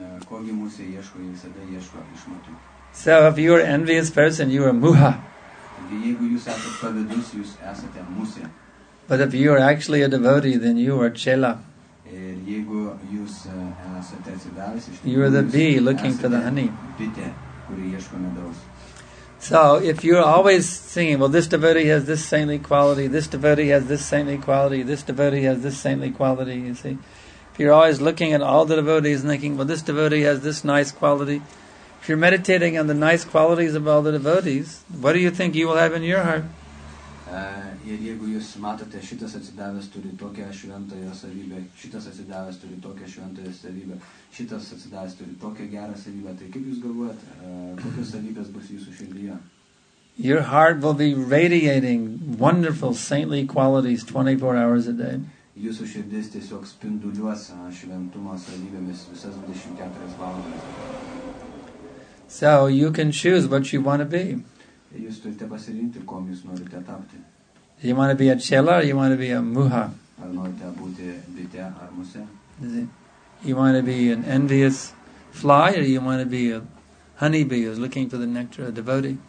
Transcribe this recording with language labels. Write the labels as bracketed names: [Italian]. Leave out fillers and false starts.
[Lithuanian] Kogi musė ieško, jis visada ieško išmatų. [English] So if you are an envious person, you are muha. [Lithuanian] Jeigu jūs esate pavydus, jūs esate musė. [English] But if you are actually a devotee, then you are chela. [Lithuanian] Jeigu jūs esate atsidavęs, [English] you are the bee looking for the honey. [Lithuanian] Bitė, kuri ieško medaus. [English] So if you're always singing, well, this devotee has this saintly quality, this devotee has this saintly quality, this devotee has this saintly quality, you see. If you're always looking at all the devotees and thinking, well, this devotee has this nice quality. If you're meditating on the nice qualities of all the devotees, what do you think you will have in your heart? [Lithuanian] Ir jeigu jūs matote, šitas atsidavęs turi tokią šventąją savybę, šitas atsidavęs turi tokią šventąją savybę, šitas atsidavęs turi tokią gerą savybę, tai kaip jūs galvojat, kokios savybės bus jūsų širdyje? [English] Your heart will be radiating wonderful saintly qualities 24 hours a day. [Lithuanian] Jūsų širdis tiesiog spinduliuos šventumo savybėmis visas 24 valandas. [English] So you can choose what you want to be. [Lithuanian] Jūs turite pasirinkti, kom jūs norite tapti. [English] Do you want to be a chela or you want to be a muha? You want to be an envious fly or you want to be a honeybee who's looking for the nectar of a devotee?